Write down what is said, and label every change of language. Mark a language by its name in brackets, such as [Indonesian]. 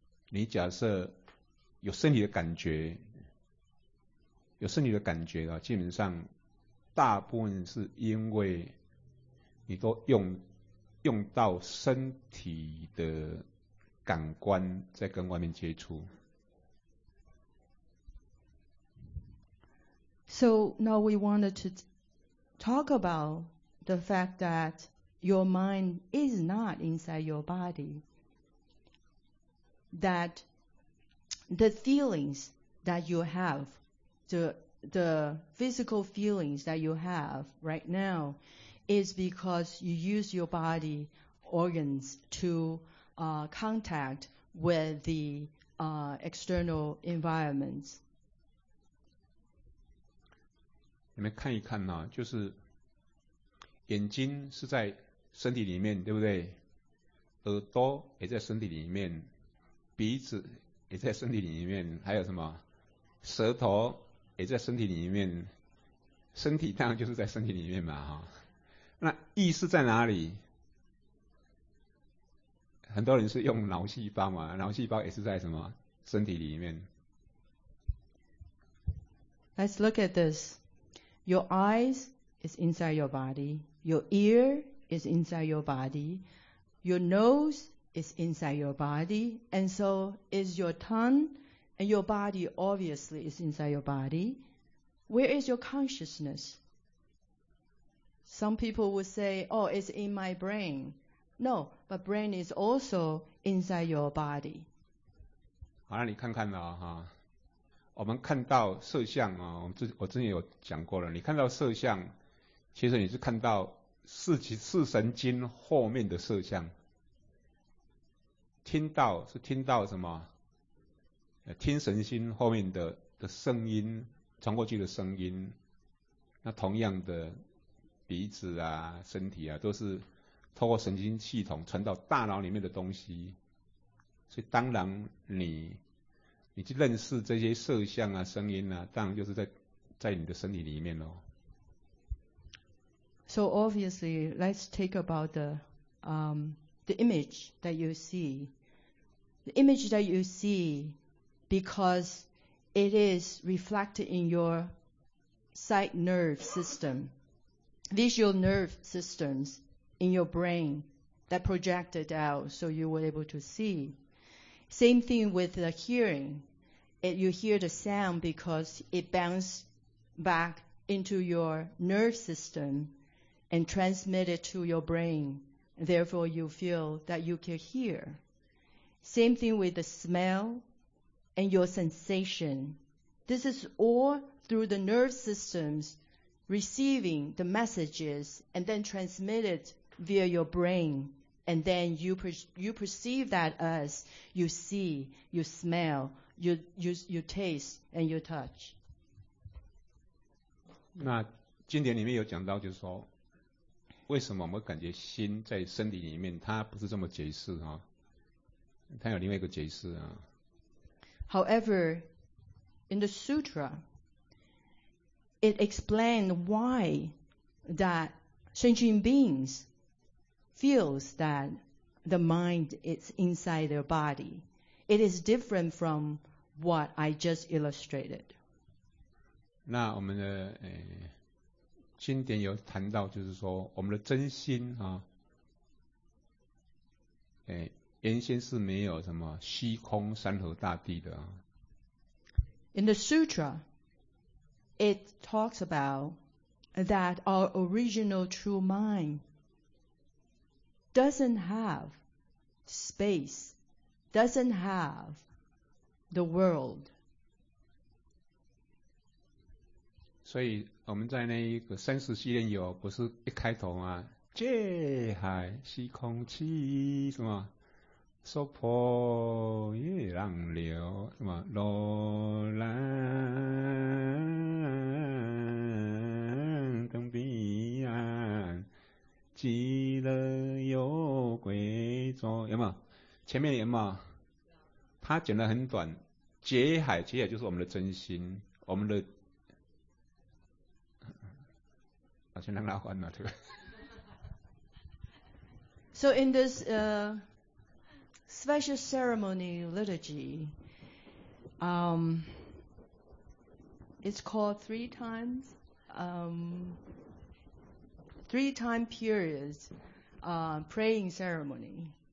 [Chinese] 你假设有身体的感觉，有身体的感觉啊，基本上大部分是因为你都用到身体的感官在跟外面接触。 [English] So now we wanted to talk about the fact that your mind is not inside your body. That the feelings that you have, the physical feelings that you have right now, is because you use your body organs to contact with the external environments. [Chinese] 你们看一看啊，就是眼睛是在身体里面，对不对？耳朵也在身体里面，鼻子也在身体里面，还有什么？舌头也在身体里面，身体当然就是在身体里面嘛，哈。那意识在哪里？很多人是用脑细胞嘛，脑细胞也是在什么？身体里面。 [English] Let's look at this. Your eyes is inside your body. Your ear is inside your body. Your nose is inside your body. And so is your tongue. And your body obviously is inside your body. Where is your consciousness? Some people would say, oh, it's in my brain. No, but brain is also inside your body. [Chinese] 好，让你看看了哈。我们看到色相啊，我之前有讲过了。你看到色相，其实你是看到视神经后面的色相。听到是听到什么？听神经后面的声音，传过去的声音。那同样的，鼻子啊、身体啊，都是透过神经系统传到大脑里面的东西。所以当然你去认识这些色相啊、声音啊，当然就是在你的身体里面喽。 [English] So obviously, let's talk about the image that you see. The image that you see, because it is reflected in your sight nerve system, visual nerve systems in your brain that projected out, so you were able to see. Same thing with the hearing. You hear the sound because it bounces back into your nerve system and transmits it to your brain. Therefore, you feel that you can hear. Same thing with the smell and your sensation. This is all through the nerve systems receiving the messages and then transmit it via your brain. And then you perceive that as you see, you smell,You taste and you touch. [Chinese] 那经典里面有讲到，就是说，为什么我们感觉心在身体里面？它不是这么解释啊，它有另外一个解释啊。 [English] However, in the sutra, it explained why that sentient beings feels that the mind is inside their body. It is different from what I just illustrated. [Chinese] 那我们的经典有谈到，就是说我们的真心啊，原先是没有什么虚空山河大地的啊。 [English] In the sutra, it talks about that our original true mind doesn't have space, doesn't have the world. [Chinese] 所以我们在那一个生死系列有不是一开头吗？界海虚空气什么娑婆夜浪流什么罗兰等彼岸极乐有鬼座，有没有？前面有没有？他讲得很短，界海，界海就是我们的真心，我们的好像让他换了，对吧？ [English] So in this special ceremony liturgy, it's called three times, three time periods, praying ceremony.